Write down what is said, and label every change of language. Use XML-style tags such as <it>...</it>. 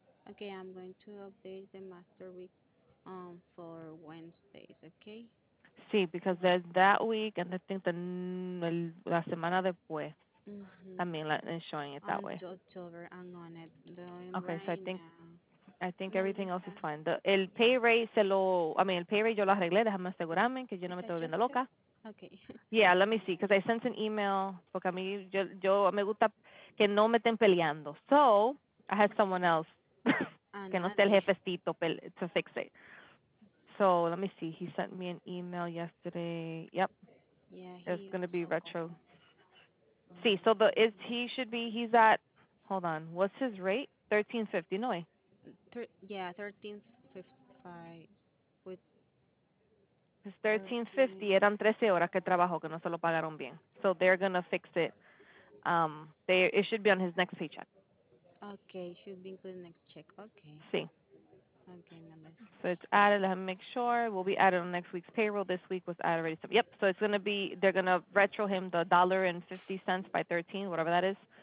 <en>Okay, I'm going to update the master week for Wednesdays, okay? Sí, because there's that week and I think the</en> <es>la semana después.</es> <en>Mm-hmm. I mean, like, showing it that way. October, I'm on it. Okay, right, so I think no, everything else is fine.</en> <es>El pay rate se lo,</es> <en>I mean,</en> <es>el pay rate yo lo arreglé, déjame asegurarme que yo no me estoy volviendo loca.</es> <en>Okay. Yeah, let me see, because I sent an email,</en> <es>porque a mí, yo me gusta que no me estén peleando.</es> <en>So, I had someone else,</en> <es>que no esté el jefecito</es> <en>to fix it. So, let me see, he sent me an email yesterday. Yep. Yeah. It's going to be retro. See, so the is he should be he's at, hold on, what's his rate? 1350, no way. Yeah, 1355 with. It's 1350.</en> <es>Eran 13 horas que trabajó que no se lo pagaron bien.</es> <en>So they're gonna fix it. It should be on his next paycheck. Okay, should be included next check. Okay. See. Okay, number. So it's added. Let me make sure. We'll be added on next week's payroll. This week was added already. So, yep. So it's going to be, they're going to retro him the $1.50 by 13, whatever that is.</en>